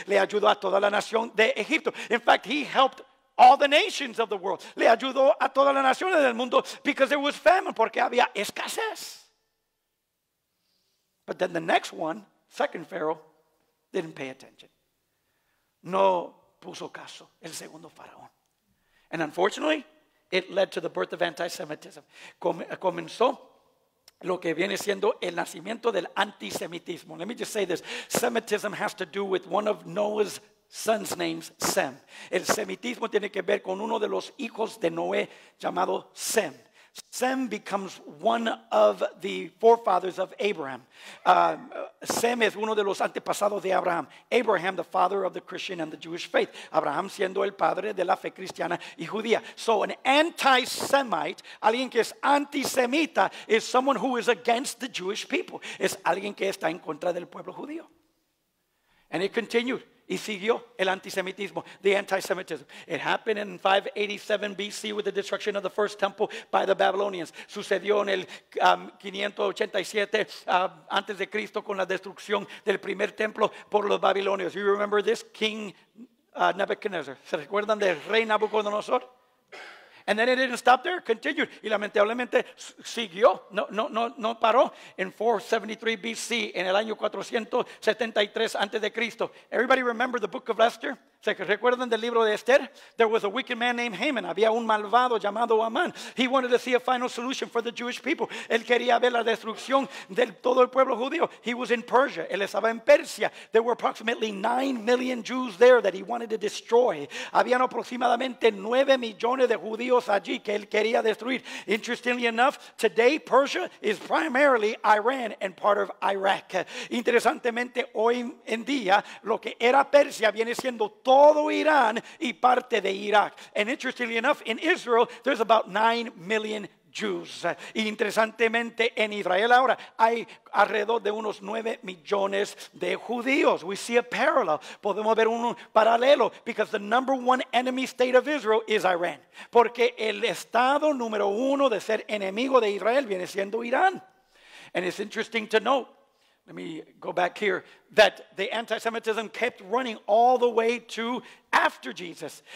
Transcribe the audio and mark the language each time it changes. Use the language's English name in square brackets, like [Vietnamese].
[Spanish] Le ayudó a toda la nación de Egipto. [English] In fact, he helped all the nations of the world. [Spanish] Le ayudó a todas las naciones del mundo [English] because there was famine, [Spanish] porque había escasez. [English] But then the next one, second pharaoh, didn't pay attention. [Spanish] No puso caso el segundo faraón. [English] And unfortunately, it led to the birth of anti-Semitism. [Spanish] Comenzó lo que viene siendo el nacimiento del antisemitismo. [English] Let me just say this. Semitism has to do with one of Noah's son's names, Sem. [Spanish] El semitismo tiene que ver con uno de los hijos de Noé llamado Sem. [English] Sem becomes one of the forefathers of Abraham. [Spanish] Sem es uno de los antepasados de Abraham. [English] Abraham, the father of the Christian and the Jewish faith. [Spanish] Abraham siendo el padre de la fe cristiana y judía. [English] So an anti-Semite, [Spanish] alguien que es antisemita, [English] is someone who is against the Jewish people. [Spanish] Es alguien que está en contra del pueblo judío. [English] And it continued. [Spanish] Y siguió el antisemitismo, [English] the anti-Semitism. It happened in 587 BC with the destruction of the first temple by the Babylonians. [Spanish] Sucedió en el 587 antes de Cristo con la destrucción del primer templo por los babilonios. [English] You remember this king Nebuchadnezzar? [Spanish] ¿Se recuerdan del rey Nabucodonosor? [English] And then it didn't stop there, continued. [Spanish] Y lamentablemente siguió, no paró. [English] In 473 BC, [Spanish] en el año 473 antes de Cristo. [English] Everybody remember the book of Esther? [Spanish] ¿Se recuerdan del libro de Esther? [English] There was a wicked man named Haman. [Spanish] Había un malvado llamado Amán. [English] He wanted to see a final solution for the Jewish people. [Spanish] Él quería ver la destrucción de todo el pueblo judío. [English] He was in Persia. [Spanish] Él estaba en Persia. [English] There were approximately 9 million Jews there that he wanted to destroy. [Spanish] Habían aproximadamente 9 millones de judíos allí que él quería destruir. [English] Interestingly enough, today Persia is primarily Iran and part of Iraq. [Spanish] Interesantemente, hoy en día, lo que era Persia viene siendo todo Irán y parte de Irak. [English] And interestingly enough, in Israel, there's about 9 million Jews. [Spanish] Y interesantemente, en Israel ahora hay alrededor de unos 9 millones de judíos. [English] We see a parallel. [Spanish] Podemos ver un paralelo. [English] Because the number one enemy state of Israel is Iran. [Spanish] Porque el estado número uno de ser enemigo de Israel viene siendo Irán. [English] And it's interesting to note, let me go back here, that the anti-Semitism kept running all the way to after Jesus.